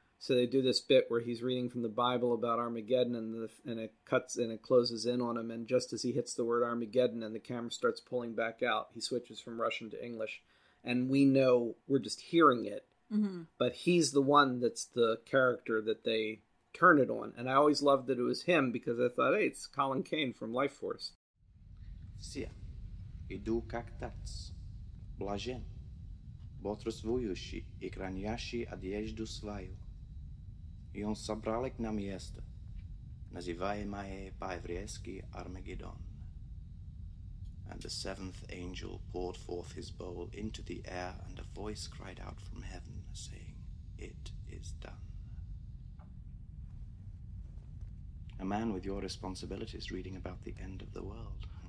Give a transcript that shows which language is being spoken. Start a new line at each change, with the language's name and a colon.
English: So they do this bit where he's reading from the Bible about Armageddon, and it closes in on him. And just as he hits the word Armageddon and the camera starts pulling back out, he switches from Russian to English. And we know we're just hearing it, but he's the one that's the character that they turn it on. And I always loved that it was him because I thought, hey, it's Colin Caine from Life Force.
Russian: Все иду как тац, блажен, бодрствующий и хранящий одежду свою. И он собрал их на место, называемое по-еврейски Армагеддон.
English: And the seventh angel poured forth his bowl into the air, and a voice cried out from heaven, saying, "It is done." A man with your responsibilities reading about the end of the world.